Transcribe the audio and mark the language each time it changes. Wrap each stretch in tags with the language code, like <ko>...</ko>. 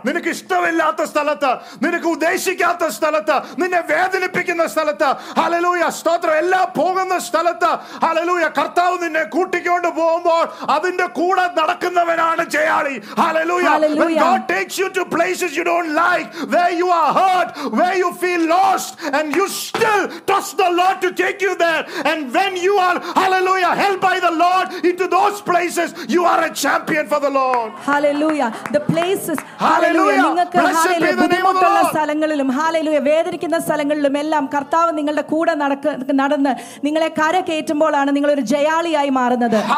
<ml>നിനക്ക് ഇഷ്ടമില്ലാത്ത സ്ഥലത്ത്, നിനക്ക് ഉദ്ദേശിക്കാത്ത സ്ഥലത്ത്, നിന്നെ വേദനിപ്പിക്കുന്ന സ്ഥലത്ത്, Hallelujah. സ്തോത്രം എല്ലാം പോകുന്ന സ്ഥലത്ത്, Hallelujah. കർത്താവ് നിന്നെ കൂട്ടിക്കൊണ്ട് പോകുമ്പോൾ അതിന്റെ കൂടെ നടക്കുന്നവനാണ് ജയാളി.</ml> <en>Hallelujah. Hallelujah. When God takes you to places you don't like, where you are hurt, where you feel lost, and you still trust the Lord to take you there, and when you are, Hallelujah, held by the Lord into those places, you are a champion for the Lord. Hallelujah. The place</en> <ml>വേദനിക്കുന്ന സ്ഥലങ്ങളിലും എല്ലാം കർത്താവ് നിങ്ങളുടെ കൂടെ നടന്ന് നിങ്ങളെ കര കയറ്റുമ്പോഴാണ് നിങ്ങൾ ഒരു ജയാളിയായി മാറുന്നത്.</ml>